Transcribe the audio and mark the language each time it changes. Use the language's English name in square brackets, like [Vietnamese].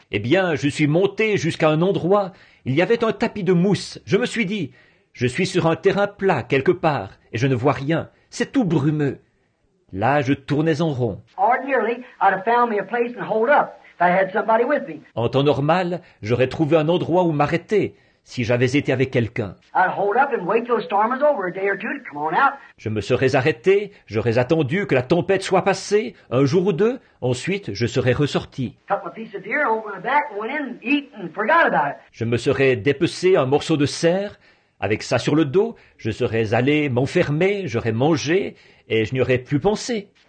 [French] Eh bien, je suis monté jusqu'à un endroit. Il y avait un tapis de mousse. Je me suis dit, je suis sur un terrain plat quelque part et je ne vois rien. C'est tout brumeux. Là, je tournais en rond. [English] Ordinarily, I'd have found me a place and hold up if I had somebody with me. [French] En temps normal, j'aurais trouvé un endroit où m'arrêter si j'avais été avec quelqu'un. [English] I'd hold up and wait till the storm is over a day or two to come on out. [French] Je me serais arrêté, j'aurais attendu que la tempête soit passée un jour ou deux, ensuite je serais ressorti. [English] Cut my piece of deer over the back, went in, eat and forgot about it. [French] Je me serais dépecé un morceau de cerf. Avec ça sur le dos, je serais allé m'enfermer, j'aurais mangé et je n'y aurais plus pensé.